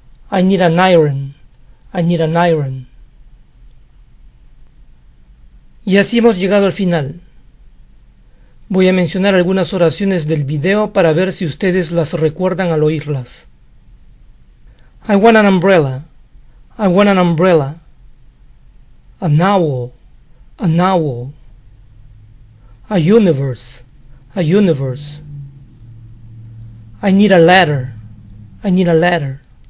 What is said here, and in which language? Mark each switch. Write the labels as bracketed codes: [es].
[en] I need an iron, I need an iron. [es] Y así hemos llegado al final. Voy a mencionar algunas oraciones del video para ver si ustedes las recuerdan al oírlas. [en] I want an umbrella, I want an umbrella. An owl, an owl. A universe, a universe. I need a ladder, I need a ladder.